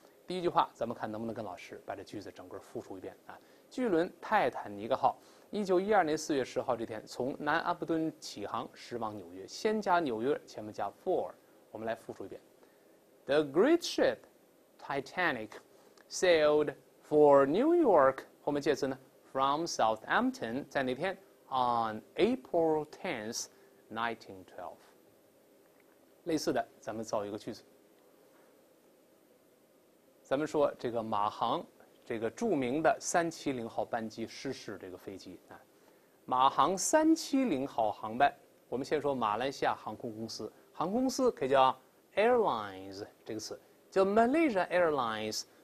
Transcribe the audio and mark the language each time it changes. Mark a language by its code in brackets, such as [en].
[zh] 第一句话，咱们看能不能跟老师把这句子整个复述一遍啊？巨轮泰坦尼克号1912年4月10号这天从南安普顿起航驶往纽约，先加纽约，前面加 for， 我们来复述一遍 ： [en] The great ship Titanic。 Sailed for New York， [zh] 后面介词呢 [en] ？From Southampton， [zh] 在那天 [en] ？On April 10th, 1912。 [zh] 类似的，咱们造一个句子。咱们说这个马航，这个著名的370号班机失事，这个飞机啊，马航370号航班，我们先说马来西亚航空公司，航空公司可以叫 airlines 这个词，叫 Malaysia Airlines。